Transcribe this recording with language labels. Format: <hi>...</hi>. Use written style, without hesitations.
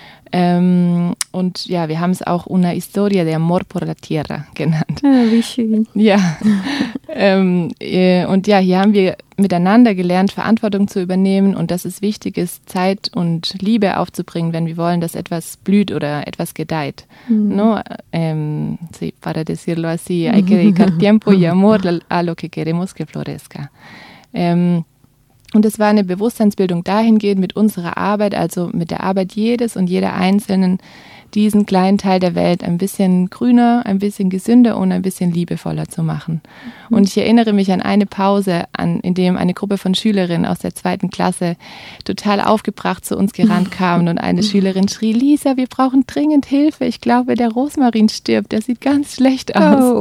<de>Und ja, wir haben es auch Una Historia de Amor por la Tierra genannt. Ah, wie schön. Ja. Und ja, hier haben wir miteinander gelernt, Verantwortung zu übernehmen und dass es wichtig ist, Zeit und Liebe aufzubringen, wenn wir wollen, dass etwas blüht oder etwas gedeiht.</de> <es>No, para decirlo así, hay que dedicar tiempo y amor a lo que queremos que florezca.</es> <de>Und es war eine Bewusstseinsbildung dahingehend mit unserer Arbeit, also mit der Arbeit jedes und jeder Einzelnen, diesen kleinen Teil der Welt ein bisschen grüner, ein bisschen gesünder und ein bisschen liebevoller zu machen. Und ich erinnere mich an eine Pause, in dem eine Gruppe von Schülerinnen aus der zweiten Klasse total aufgebracht zu uns gerannt kamen und eine Schülerin schrie, Lisa, wir brauchen dringend Hilfe, ich glaube, der Rosmarin stirbt, der sieht ganz schlecht aus.</de>